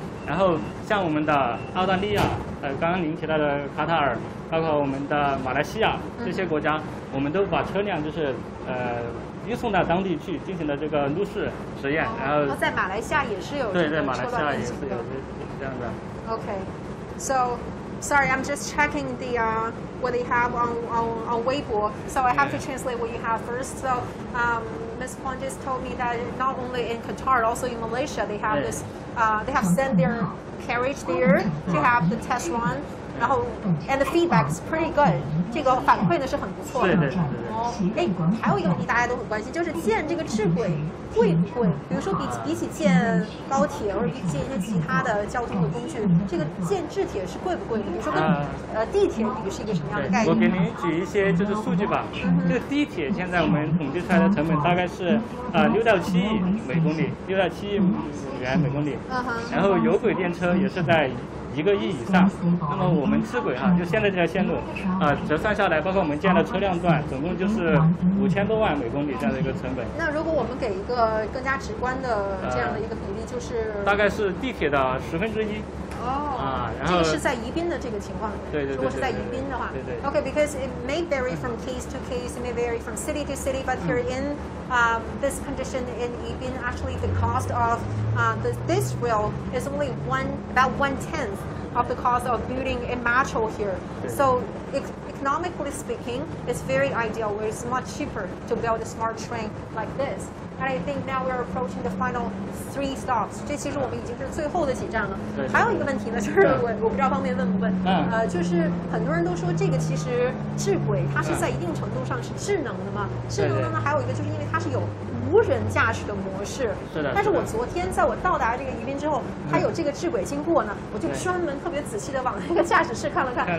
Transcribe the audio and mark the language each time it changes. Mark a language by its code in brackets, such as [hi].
[zh] 然后像我们的澳大利亚刚刚您提到的卡塔尔，包括我们的马来西亚这些国家，我们都把车辆就是运送到当地去进行了这个路试实验。然后在马来西亚也是有，对对，马来西亚也是有这样的。 [en] OK， SoSorry, I'm just checking the, what they have on Weibo, so I have to translate what you have first. So, Ms. Kwon just told me that not only in Qatar, also in Malaysia, they have this, they have sent their carriage there to have the test run, and the feedback is pretty good. [zh] 这个反馈呢是很不错的。哦，还有一个问题大家都很关心，就是建这个智轨贵不贵？比如说比起建高铁或者建一些其他的交通的工具，这个建智铁是贵不贵？比如说跟地铁比是一个什么样的概念？我给您举一些就是数据吧。这个地铁现在我们统计出来的成本大概是6到7亿每公里，6到7亿美元每公里。然后有轨电车也是在1亿以上。那么我们智轨哈，就现在这条线路折算下来，包括我们建的车辆段，总共就是5000多万每公里这样的一个成本。那如果我们给一个更加直观的这样的一个比例，就是大概是地铁的1/10。这个是在宜宾的这个情况。对，如果是在宜宾的话。对 [en] OK, because it may vary from case to case, it may vary from city to city, but here in this condition in Yibin, actually the cost of this rail is only about 1/10 of the cost of building a metro here. So economically speaking, it's very ideal, where it's much cheaper to build a smart train like this. And I think now we're approaching the final 3 stops. [zh] 这其实我们已经是最后的几站了。还有一个问题呢，就是我不知道方便问不问。就是很多人都说这个其实智轨它是在一定程度上是智能的嘛。智能的呢，还有一个就是因为它是有无人驾驶的模式。但是我昨天在我到达这个宜宾之后，它有这个智轨经过呢，我就专门特别仔细的往那个驾驶室看了看。